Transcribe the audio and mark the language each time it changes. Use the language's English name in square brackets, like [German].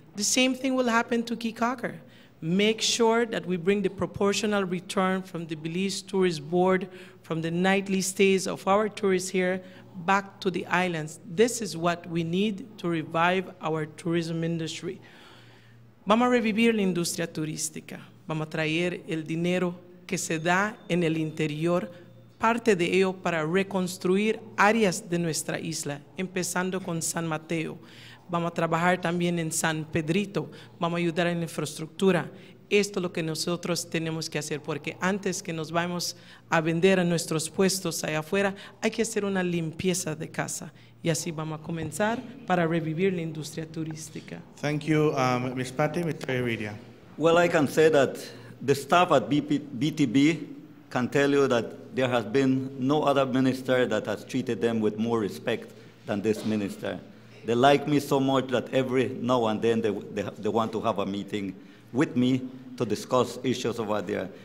[English] The same thing will happen to Caye Caulker. Make sure that we bring the proportional return from the Belize Tourist Board, from the nightly stays of our tourists here, back to the islands. This is what we need to revive our tourism industry. [Spanish] Vamos a revivir la industria turística. Vamos a traer el dinero que se da en el interior, parte de ello para reconstruir áreas de nuestra isla, empezando con San Mateo. Vamos a trabajar también en San Pedrito. Vamos a ayudar en la infraestructura, esto lo que nosotros tenemos que hacer, porque antes que nos vamos a vender a nuestros puestos allá afuera, hay que hacer una limpieza de casa. Y así vamos a comenzar para revivir la industria turística. [English] Thank you, Ms. Patty, Mr. Heredia. Well, I can say that the staff at BTB can tell you that there has been no other minister that has treated them with more respect than this minister. They like me so much that every now and then they want to have a meeting with me to discuss issues over there.